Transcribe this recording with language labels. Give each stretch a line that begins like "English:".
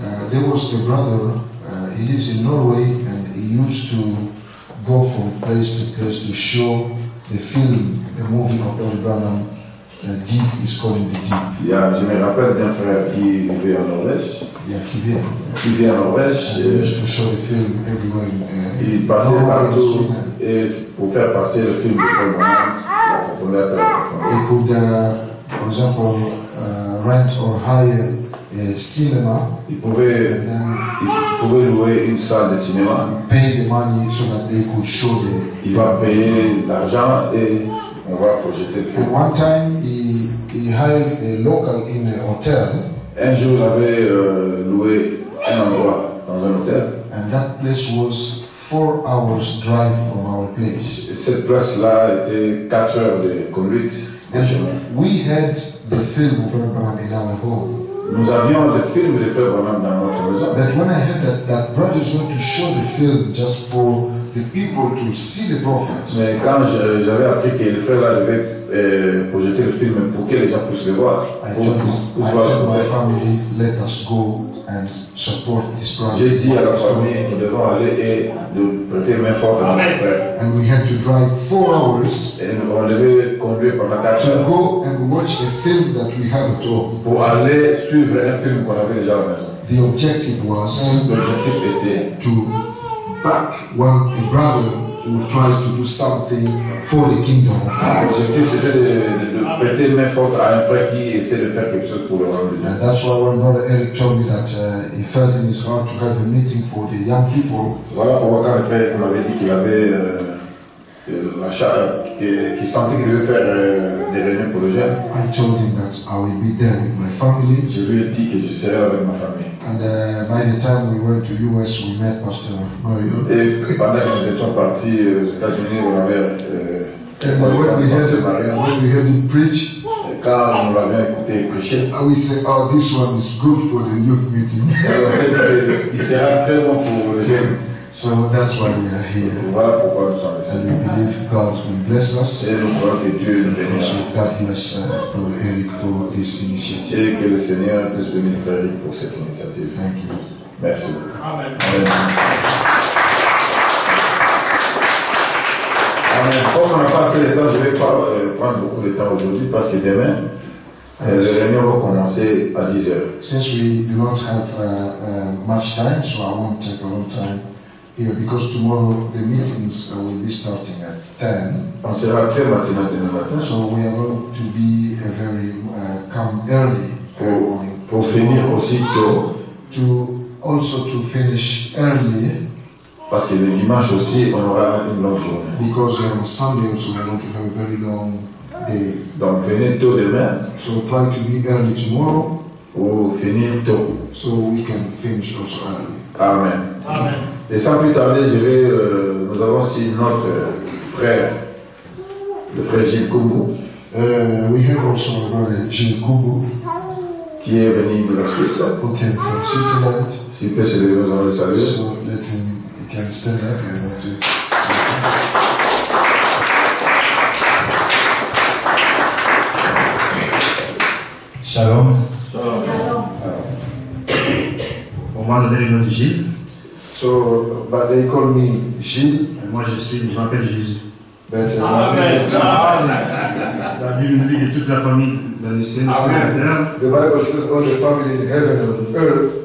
English: There was a brother, he lives in Norway, and he used to go from place to place to show the film, the movie of Billy Branham, Deep is Calling the Deep.
French: Yeah, je me rappelle d'un frère qui vivait en Norvège. Yeah, qui vient. Qui vient en Norvège.
English: And he used to show the film everywhere in Norway.
French: Il passait partout et pour faire passer le film de Billy Branham, la profondeur de la profondeur.
English: He could, for example, rent or hire a cinema.
French: Il pouvait louer une salle de cinéma.
English: Pay the money so that they could show the.
French: Il va payer l'argent et on va projeter le film.
English: And one time he hired a local in a hotel.
French: Un jour il avait loué un endroit dans un hôtel.
English: And that place was 4 hours drive from our place.
French: Et cette place là était 4 heures de conduite.
English: And we had the film program in our home.
French: Nous avions le film de Frère Branham dans notre maison.
English: But when I heard that brother is going to show the film just for the people to see the prophet.
French: Mais quand j'avais appris que le frère allait projeter le film pour que les gens puissent le voir,
English: my family, let us go and support this project.
French: J'ai dit à la famille, nous devons aller et nous prêter main forte à notre frère.
English: And we had to drive 4 hours.
French: Et on devait conduire pendant 4 heures.
English: To go and watch a film that we had at home.
French: Pour aller suivre un film qu'on avait déjà à la maison.
English: The objective was
French: l'objectif était
English: to back when a brother who tries to do something for the kingdom of God.
French: L'objectif c'était de prêter main forte à un frère qui essaie de faire quelque chose pour le royaume de Dieu.
English: And that's why when Brother Eric told me that he felt in his heart to have a meeting for the young people.
French: Voilà pourquoi quand le frère m'avait dit qu'il avait qu'il sentait qu'il devait faire des réunions pour le jeune.
English: I told him that I will be there with my family.
French: Je lui ai dit que je serai avec ma famille.
English: And by the time we went to US, we met Pastor Mario.
French: Et pendant que nous étions partis aux États-Unis, on avait
English: When we heard him preach,
French: quand on l'avait écouté prêcher,
English: and we said, oh, this one is good for the youth meeting.
French: Il sera très bon pour les jeunes.
English: So that's why we are here.
French: Voilà pourquoi nous sommes ici.
English: And we believe God will bless us.
French: Et nous croyons que Dieu nous bénisse.
English: God bless Brother Eric for this initiative.
French: Et que le Seigneur puisse bénir Frère Eric pour cette initiative.
English: Thank you.
French: Merci. Amen. Amen. Comme on n'a pas assez de temps, je ne vais pas prendre beaucoup de temps aujourd'hui parce que demain, les réunions vont commencer à 10h.
English: Since we do not have much time, so I won't take a long time here because tomorrow the meetings will be starting at 10.
French: On sera très matinal demain matin.
English: So we are going to be a very come early
French: pour finir aussi tôt.
English: To also to finish early.
French: Parce que le dimanche aussi, on aura une longue journée.
English: Because on Sunday also we are going to have a very long day.
French: Donc venez tôt demain.
English: So try to be early tomorrow.
French: Pour finir tôt.
English: So we can finish also early. Amen. Amen.
French: Et sans plus tarder, je vais. Nous avons aussi notre frère, le frère Gilles Kumbu.
English: We have also a brother Gilles Kumbu.
French: Qui est venu de la Suisse.
English: Okay, from Switzerland.
French: S'il peut se lever, nous allons le saluer.
English: So let him, he can stand up and want to. Shalom. Shalom.
French: On m'a donné le nom de Gilles.
English: So, but they call me Gilles.
French: Et moi je suis, je m'appelle Jésus.
English: But, Amen.
French: La Bible nous dit que toute la famille dans le ciel, sur la terre.
English: The Bible says all the family in heaven and on earth.